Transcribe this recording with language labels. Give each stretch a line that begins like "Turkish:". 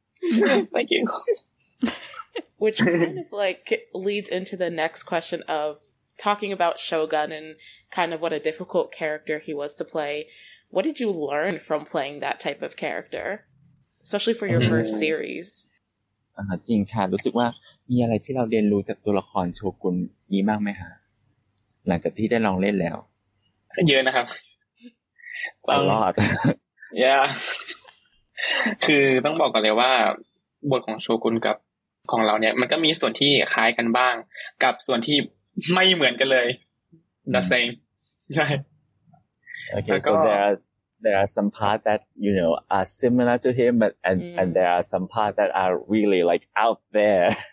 English: Thank you. Which kind of like leads into the next question of talking about Shogun and kind of what a difficult character he was to play. What did you learn from playing that type of character, especially for your first series?
Thai: จริงค่ะรู้สึกว่ามีอะไรที่เราเรียนรู้จากตัวละครโชกุนนี้บ้างไหมคะหลังจากที่ได้ลองเล่นแล้ว เยอะนะครับ ตลอด yeah คือต้องบอกก่อนเลยว่าบทของโชกุนกับของเราเนี่ยมันก็มีส่วนที่คล้ายกันบ้างกับส่วนที่ไม่เหมือนกันเลย
English: the same
Thai: ใช่
English: Okay, so there are some parts that, you know, are similar to him, but and there are some parts that are really, like, out there.